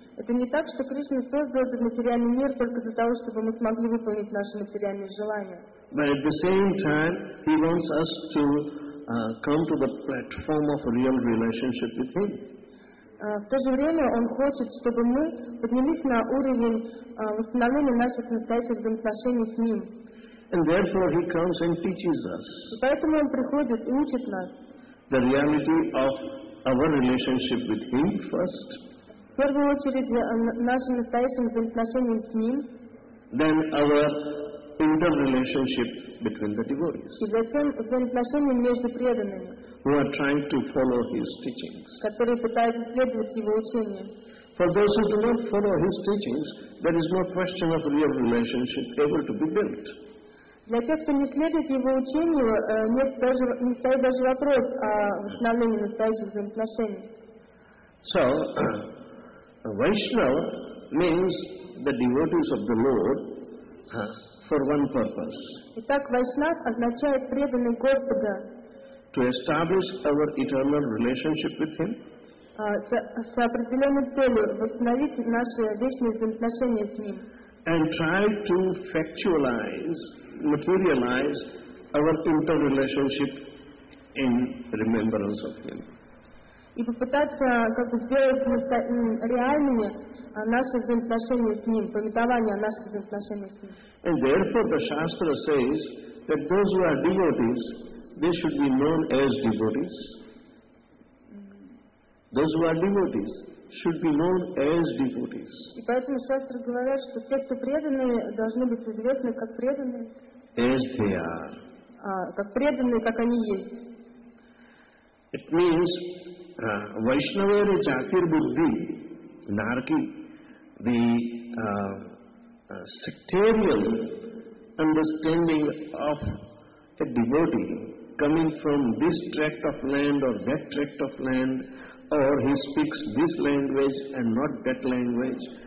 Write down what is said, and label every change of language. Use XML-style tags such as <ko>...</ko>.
<ru>Это не так, что Кришна создал этот материальный мир только для того, чтобы мы смогли выполнить наши материальные желания.</ru> <en>But at the same time, he wants us to come to the platform of a real relationship with him.</en> <ru>В то же время он хочет, чтобы мы поднялись на уровень восстановления наших настоящих взаимоотношений с ним.</ru> <en>And therefore he comes and teaches us.</en> <ru>И поэтому он приходит и учит нас.</ru> <en>The reality of our relationship with him first.</en> <ru>В первую очередь нашим настоящим взаимоотношением с ним.</ru> <en>Then our interrelationship between the devotees.</en> <ru>И затем взаимоотношения между преданными.</ru> <en>Who are trying to follow his teachings.</en> <ru>Которые пытаются следовать его учению.</ru> <en>For those who do not follow his teachings, there is no question of real relationship able to be built.</en> <ru>Для тех, кто не следует его учению, нет даже, не стоит даже вопрос о восстановлении настоящих взаимоотношений.</ru> <en>So, Vaishnava means the devotees of the Lord for one purpose.</en> <ru>Итак, Вайшнав означает преданный Господа.</ru> <en>To establish our eternal relationship with Him.</en> <ru>С определенной целью восстановить наши вечные взаимоотношения с Ним.</ru> <en>And try to factualize, materialize our interrelationship in remembrance of Him.</en> <ru>И попытаться как бы сделать реальными наши взаимоотношения с Ним, памятование о наших взаимоотношениях с Ним.</ru> <en>And therefore the Shastra says that those who are devotees, they should be known as devotees. Those who are devotees should be known as devotees.</en> <ru>И поэтому Шастры говорят, что те, кто преданные, должны быть известны как преданные.</ru> <en>As they are.</en> <ru>Как преданные, как они есть.</ru> <en>It means Vaishnava or Jatir Buddhi, Narki, the sectarian understanding of a devotee coming from this tract of land or that tract of land, or he speaks this language and not that language,</en>